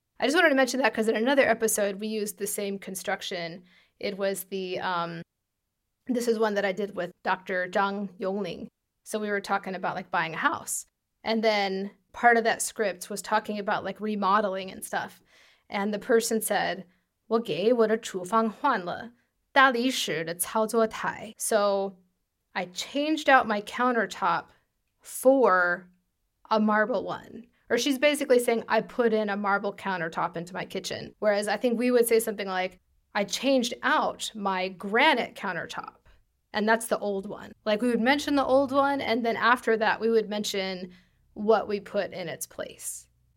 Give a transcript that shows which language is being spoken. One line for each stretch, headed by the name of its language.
English: I just wanted to mention that because in another episode, we used the same construction. It was the, this is one that I did with Dr. Zhang Yongling. So we were talking about like buying a house. And then part of that script was talking about like remodeling and stuff. And the person said,
Chinese: 我给我的厨房换了大理石的操作台.
English: So I changed out my countertop for a marble one. Or she's basically saying, I put in a marble countertop into my kitchen. Whereas I think we would say something like, I changed out my granite countertop. And that's the old one. Like we would mention the old one. And then after that, we would mention what we put in its place.